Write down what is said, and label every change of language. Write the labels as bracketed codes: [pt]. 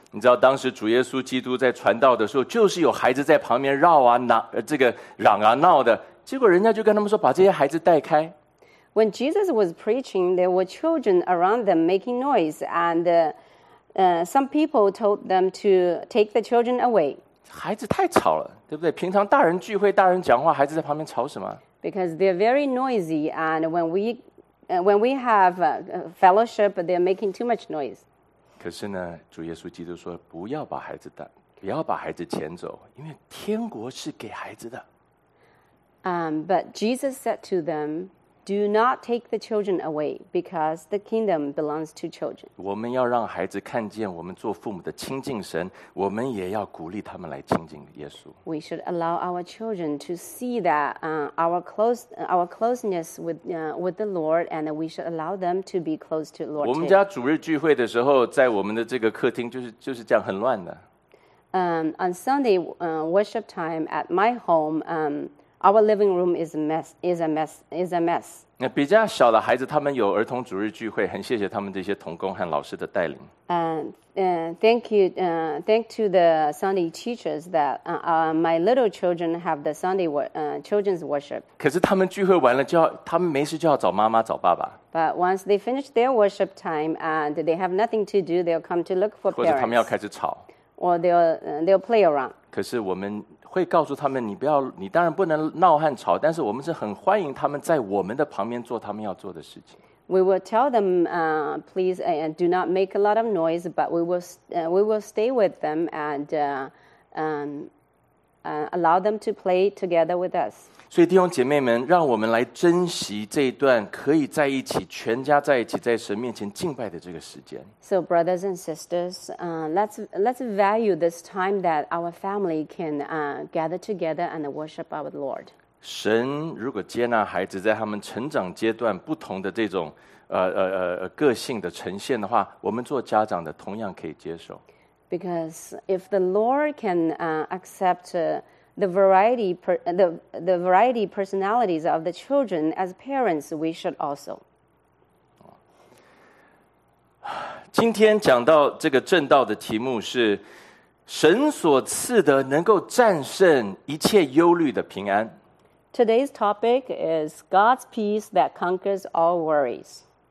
[zh] 你知道当时主耶稣基督在传道的时候，就是有孩子在旁边绕啊、嚷啊、闹的，结果人家就跟他们说，把这些孩子带开。 [en] When Jesus was preaching, there were children around them making noise, and some people told them to take the children away. [zh] 孩子太吵了，对不对？平常大人聚会、大人讲话，孩子在旁边吵什么？ [en] Because they're very noisy, and when we have fellowship, they're making too much noise. [zh] 可是呢，主耶稣基督说，不要把孩子牵走，因为天国是给孩子的。 [en] But Jesus said to them, "Do not take the children away, because the kingdom belongs to children." [zh] 我们要让孩子看见我们做父母的亲近神，我们也要鼓励他们来亲近耶稣。 [en] We should allow our children to see that our closeness with the Lord, and we should allow them to be close to Lord. [zh] 我们家主日聚会的时候，在我们的这个客厅就是这样很乱的。 [en] On Sunday worship time at my home, our living room is a mess. [zh] 那比较小的孩子，他们有儿童主日聚会，很谢谢他们这些同工和老师的带领。 [en] Thank to the Sunday teachers that my little children have the Sunday children's worship. [zh] 可是他们聚会完了，他们没事就要找妈妈找爸爸。 [en] But once they finish their worship time and they have nothing to do, they'll come to look for parents. [zh] 或者他们要开始吵。 [en] Or they'll play around. [zh] 可是我们。会告诉他们，你不要，你当然不能闹和吵，但是我们是很欢迎他们在我们的旁边做他们要做的事情。 [en] We will tell them, please, and do not make a lot of noise, but we will stay with them and allow them to play together with us. [zh] 所以弟兄姐妹们，让我们来珍惜这一段可以在一起，全家在一起，在神面前敬拜的这个时间。 [en] So brothers and sisters, let's value this time that our family can gather together and worship our Lord. [zh] 神如果接纳孩子在他们成长阶段不同的这种个性的呈现的话，我们做家长的同样可以接受。 [en] Because if the Lord can accept the variety personalities of the children as parents, we should also. [zh] 今天讲到这个正道的题目是神所赐的能够战胜一切忧虑的平安。 [en] Today's topic is God's peace that conquers all worries.